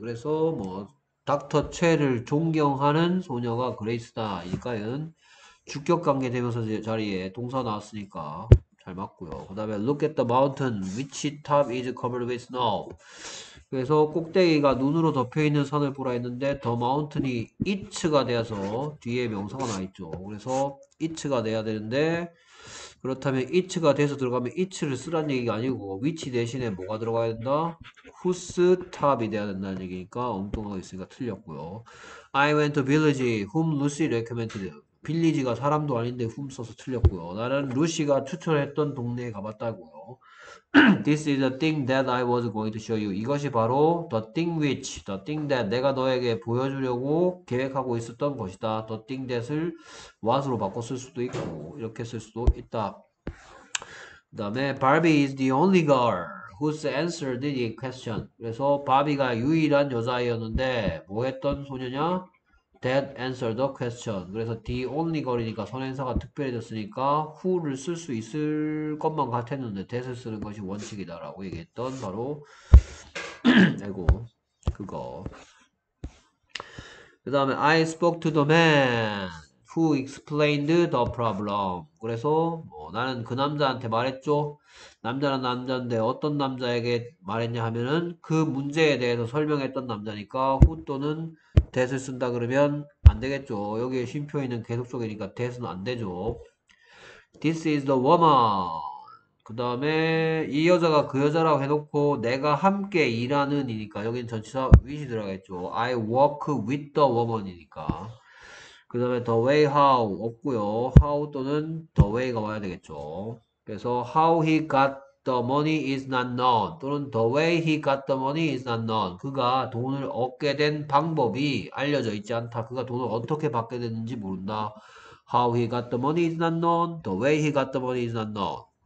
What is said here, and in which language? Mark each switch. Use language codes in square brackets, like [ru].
[ko] 그래서 뭐 닥터 체를 존경하는 소녀가 그레이스다. 이 과연 주격 관계 되면서 자리에 동사 나왔으니까 잘 맞고요. 그다음에 [en] look at the mountain which top is covered with snow. [ko] 그래서 꼭대기가 눈으로 덮여 있는 산을 보라 했는데 [en] the mountain [ko] 이 it가 되어서 뒤에 명사가 나 있죠. 그래서 it가 돼야 되는데 그렇다면 it가 돼서 들어가면 it를 쓰란 얘기가 아니고 which 대신에 뭐가 들어가야 된다? whose top이 돼야 된다는 얘기니까 엉뚱하게 있으니까 틀렸고요. [en] I went to village whom Lucy recommended. [ko] 빌리지가 사람도 아닌데 whom 써서 틀렸고요. 나는 루시가 추천했던 동네에 가봤다고요. [en] This is the thing that I was going to show you. [ko] 이것이 바로 [en] the thing which, the thing that [ko] 내가 너에게 보여주려고 계획하고 있었던 것이다. [en] The thing that [ko] 을 was로 바꿔 쓸 수도 있고 이렇게 쓸 수도 있다. 그다음에 [en] Barbie is the only girl whose answer did the question. [ko] 그래서 바비가 유일한 여자아이였는데 뭐 했던 소녀냐? [en] That answered the question. [ko] 그래서 the only girl이니까 선행사가 특별해졌으니까 who를 쓸수 있을 것만 같았는데 that을 쓰는 것이 원칙이다라고 얘기했던 바로 아이고 그거. 그다음에 [en] I spoke to the man who explained the problem. [ko] 그래서 뭐 나는 그 남자한테 말했죠. 남자란 남자인데 어떤 남자에게 말했냐 하면은 그 문제에 대해서 설명했던 남자니까 who 또는 that을 쓴다 그러면 안 되겠죠. 여기에 쉼표 있는 계속 쪽이니까 that은 안 되죠. [en] This is the woman. [ko] 그 다음에 이 여자가 그 여자라고 해놓고 내가 함께 일하는 이니까 여긴 전치사 with이 들어가겠죠. [en] I work with the woman [ko] 이니까. 그 다음에 [en] the way how [ko] 없고요. how 또는 the way가 와야 되겠죠. 그래서 [en] how he got The money is not known. 또는 the way he got the money is not known. [ko] 그가 돈을 얻게 된 방법이 알려져 있지 않다. 그가 돈을 어떻게 받게 됐는지 모른다. [en] How he got the money is not known. The way he got the money is not known.